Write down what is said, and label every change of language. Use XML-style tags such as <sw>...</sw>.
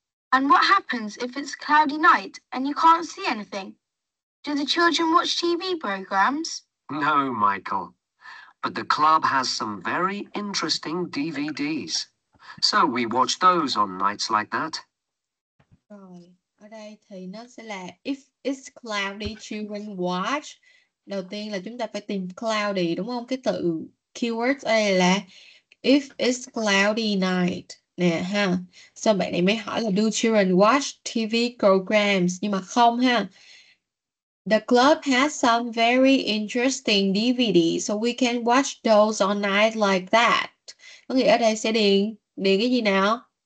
<en>And what happens if it's a cloudy night and you can't see anything? Do the children watch TV programs? No, Michael. But the club has some very interesting DVDs. So we watch those on nights like that.</en> <vi>Rồi, ở đây thì nó sẽ là</vi> <en>if it's cloudy, children watch.</en> <vi>Đầu tiên là chúng ta phải tìm cloudy, đúng không? Cái từ keywords ở đây là</vi> <en>if it's cloudy night.</en> <vi>Nè ha. Sau bạn này mới hỏi là</vi> <en>do children watch TV programs?</en> <vi>Nhưng mà không ha.</vi> <en>The club has some very interesting DVDs, so we can watch those on night like that.</en> <vi>Có nghĩa ở đây sẽ điền điền cái gì nào?</vi>